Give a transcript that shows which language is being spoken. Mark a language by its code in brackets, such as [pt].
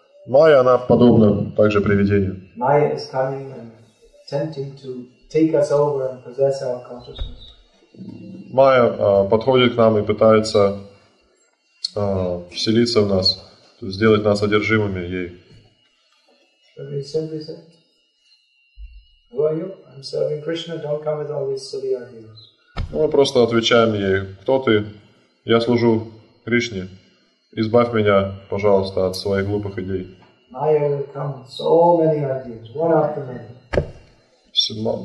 [ru] Майя, она подобна также привидению. [en] Maya is coming and attempting to take us over and possess our consciousness. [ru] Майя подходит к нам и пытается вселиться в нас, то есть сделать нас одержимыми ей. [en] Very simply said, who are you? I'm serving Krishna, don't come with all these silly ideas. [ru] Ну, мы просто отвечаем ей, кто ты? Я служу Кришне, избавь меня, пожалуйста, от своих глупых идей. [en] Maya will come with so many ideas, one after another.